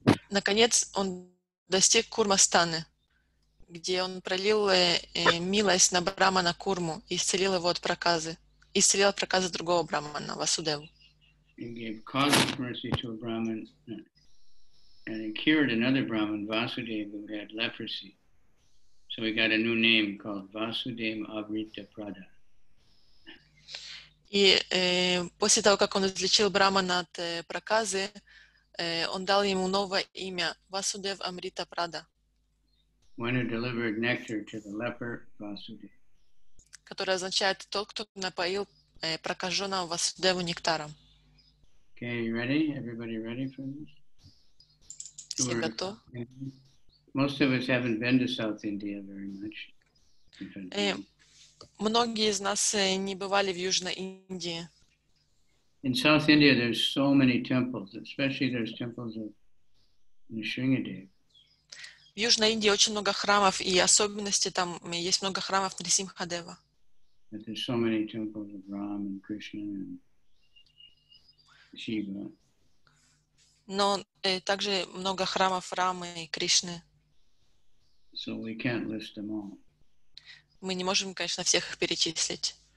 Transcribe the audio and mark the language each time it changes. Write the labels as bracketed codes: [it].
[ru] Наконец он достиг Курмастаны, где он пролил милость на брахмана Курму и исцелил его от проказы, исцелил от проказы другого брахмана Васудеву. [en] He gave causeless mercy to a brahman and he cured another brahman Vasudeva who had leprosy. So he got a new name called Vasudeva Avrita Prada. [ru] И после того, как он излечил брахмана от проказы, он дал ему новое имя Васудев Амрита Прада, которое означает тот, кто напоил прокаженного Васудеву нектаром. [en] Okay, ready? Everybody ready for this? [ru] Все готовы? [en] Most of us haven't been to South India very much. [ru] Многие из нас не бывали в Южной Индии. [en] In South India there's so many temples, especially there's temples of Nrisimhadev. [ru] В Южной Индии очень много храмов, и особенности там есть много храмов Нрисимхадева. [en] There's so many temples of Ram and Krishna and Shiva. [ru] Но также много храмов Рамы и Кришны. [en] So we can't list them all. [ru] Мы не можем, конечно, всех их перечислить.